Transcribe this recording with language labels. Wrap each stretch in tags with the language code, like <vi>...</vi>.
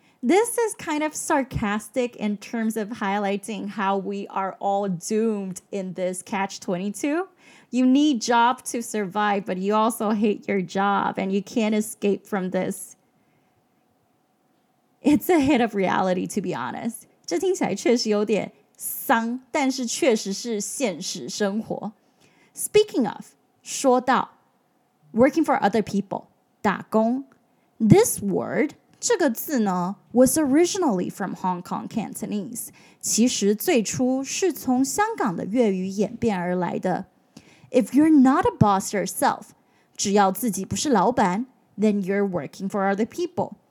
<en>This is kind of sarcastic in terms of highlighting how we are all doomed in this catch-22. You need job to survive, but you also hate your job, and you can't escape from this. It's a hit of reality, to be honest.</en> <zh>这听起来确实有点丧，但是确实是现实生活。</zh> <en>Speaking of,</en> <zh>说到</zh> <en>working for other people, 打工 This word,</en> <zh>这个字呢</zh> <en>was originally from Hong Kong Cantonese.</en> <zh>其实最初是从香港的粤语演变而来的。</zh> <en>If you're not a boss yourself,</en> <zh>只要自己不是老板</zh> <en>then you're working for other people.</en>